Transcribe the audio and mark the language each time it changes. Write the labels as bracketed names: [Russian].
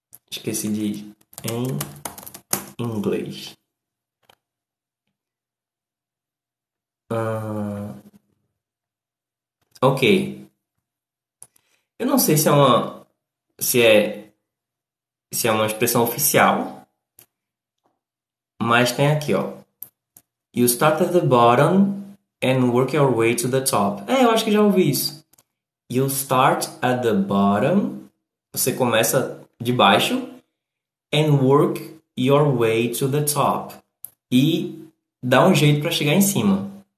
[Portuguese] Esqueci de. Em inglês. Ok. Eu não sei se é uma. Se é uma expressão oficial. Mas tem aqui, ó. [English] You start at the bottom and work your way to the top. [Portuguese] É, eu acho que já ouvi isso. [English] You start at the bottom. Você começa de baixo. And work your way to the top. [Portuguese] E dá um jeito para chegar em cima.